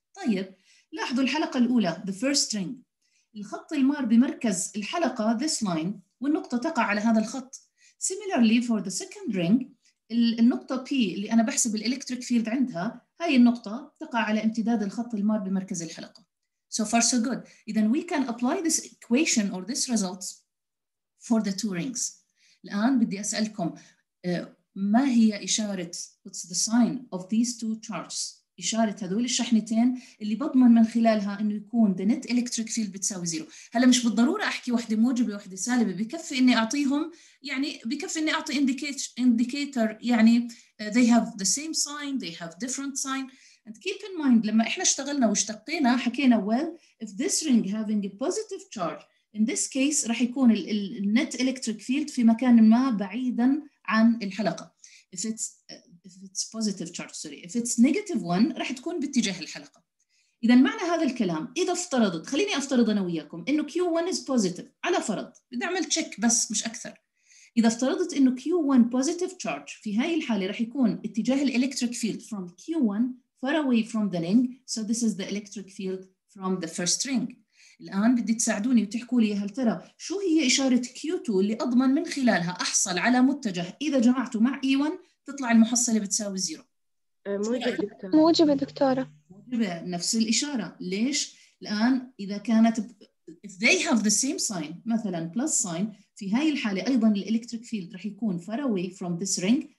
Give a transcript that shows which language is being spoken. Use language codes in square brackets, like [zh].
[ar] طيب، لاحظوا الحلقة الأولى [en] the first ring. [ar] الخط المار بمركز الحلقة [en] this line [ar] والنقطة تقع على هذا الخط. [en] Similarly for the second ring, [ar] النقطة P اللي أنا بحسب الإلكتريك فيلد عندها هاي النقطة تقع على امتداد الخط المار بمركز الحلقة. [en] So far so good. إذن we can apply this equation or this results for the two rings. [ar] الآن بدي أسألكم ما هي إشارة [en] what's the sign of these two charges؟ [ar] إشارة هذول الشحنتين اللي بضمن من خلالها إنه يكون [en] the net electric field [ar] بتساوي zero. هلا مش بالضرورة أحكي واحدة موجبة واحدة سالبة، بكفي إني أعطيهم يعني بكفي إني أعطي indicator يعني [en] they have the same sign, they have different sign. And keep in mind [ar] لما إحنا اشتغلنا واشتقينا حكينا [en] well if this ring having a positive charge in this case رح يكون ال net electric field [ar] في مكان ما بعيدا عن الحلقة. [en] If it's positive charge, sorry. If it's negative one, [ar] راح تكون باتجاه الحلقة. إذا معنى هذا الكلام إذا افترضت خليني أفترض أنا وياكم إنه [en] Q1 is positive [ar] على فرض بدي أعمل check بس مش أكثر. إذا افترضت إنه Q1 positive charge في هاي الحالة راح يكون اتجاه الإلكتريك فيلد [en] from Q1 far away from the ring. So this is the electric field from the first ring. [ar] الآن بدي تساعدوني وتحكوا لي هل ترى شو هي إشارة Q2 اللي أضمن من خلالها أحصل على متجه إذا جمعته مع E1 تطلع المحصلة بتساوي زيرو. موجبة دكتورة. موجبة نفس الإشارة. ليش؟ الآن إذا كانت [en] if they have the same sign [ar] مثلاً plus sign في هاي الحالة أيضاً الإلكتريك فيلد رح يكون [en] far away from this ring.